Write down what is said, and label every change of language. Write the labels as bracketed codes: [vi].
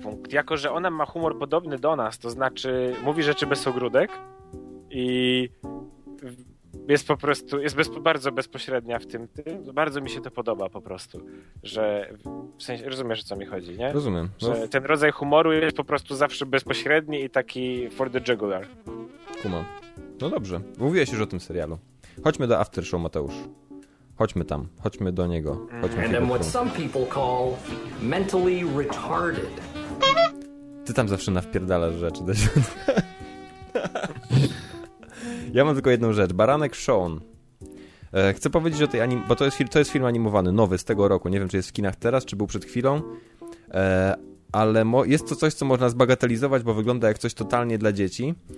[pl] Jako że ona ma humor podobny do nas, to znaczy mówi rzeczy bez ogródek i jest po prostu, bardzo bezpośrednia w tym, bardzo mi się to podoba po prostu, że w sensie, rozumiesz, o co mi chodzi, nie? Rozumiem. Że ten rodzaj humoru jest po prostu zawsze bezpośredni i taki [en] for the jugular. [pl] Kuma. No dobrze, mówiłeś już o tym serialu. Chodźmy do aftershow, Mateusz. Chodźmy tam, chodźmy do niego. Chodźmy [en] and then what some people call mentally retarded. [pl] Ty tam zawsze nawpierdalasz rzeczy. Ja mam tylko jedną rzecz. Baranek Sean. Chcę powiedzieć o tej animacji, bo to jest film animowany, nowy, z tego roku. Nie wiem, czy jest w kinach teraz, czy był przed chwilą. Ale jest to coś, co można zbagatelizować, bo wygląda jak coś totalnie dla dzieci.